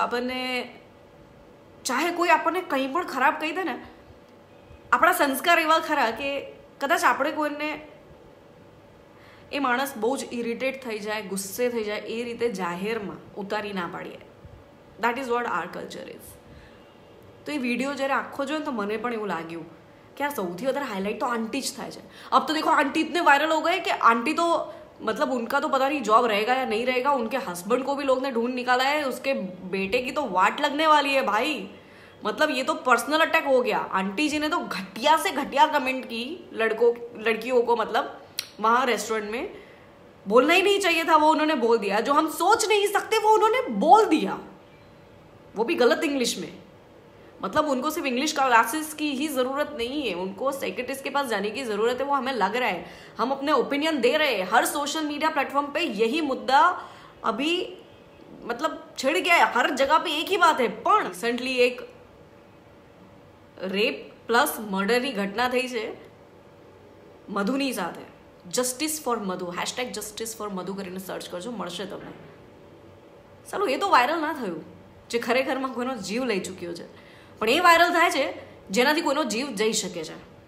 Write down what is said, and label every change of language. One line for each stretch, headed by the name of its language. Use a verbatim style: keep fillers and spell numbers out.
Gujarati: સો આપણને ચાહે કોઈ આપણને કંઈ પણ ખરાબ કહી દે ને, આપણા સંસ્કાર એવા ખરા કે કદાચ આપણે કોઈને એ માણસ બહુ જ ઇરિટેટ થઈ જાય, ગુસ્સે થઈ જાય, એ રીતે જાહેરમાં ઉતારી ના પાડીએ.
English: That is what our culture is.
Gujarati: તો એ વિડીયો જ્યારે આખો જોયો ને તો મને પણ એવું લાગ્યું કે આ સૌથી વધારે હાઇલાઇટ તો આંટી જ થાય છે.
Hindi: અબ તો દેખો આંટી इतने વાયરલ હો ગયે કે આંટી તો मतलब उनका तो पता नहीं जॉब रहेगा या नहीं रहेगा. उनके हस्बैंड को भी लोग ने ढूंढ निकाला है, उसके बेटे की तो वाट लगने वाली है भाई. मतलब ये तो पर्सनल अटैक हो गया. आंटी जी ने तो घटिया से घटिया कमेंट की लड़कों लड़कियों को. मतलब वहाँ रेस्टोरेंट में बोलना ही नहीं चाहिए था, वो उन्होंने बोल दिया. जो हम सोच नहीं सकते वो उन्होंने बोल दिया, वो भी गलत इंग्लिश में. मतलब उनको सिर्फ इंग्लिश क्लासेस की ही ज़रूरत नहीं है, उनको सेक्रेटरीज के पास जाने की ज़रूरत है. वो हमें लग रहा है, हम अपने ओपिनियन दे रहे हैं. हर सोशल मीडिया प्लेटफॉर्म पे यही मुद्दा अभी मतलब छिड़ गया है. हर जगह पे एक ही बात है.
Gujarati: पण रिसेंटली एक રેપ પ્લસ મર્ડરની ઘટના થઈ છે મધુની સાથે. Justice for Madhu, hashtag justice for Madhu કરીને સર્ચ કરજો, મળશે તમને. ચાલો એ તો વાયરલ ના થયું જે ખરેખરમાં કોઈનો જીવ લઈ ચૂક્યો છે, પણ એ વાયરલ થાય છે જેનાથી કોઈનો જીવ જઈ શકે છે.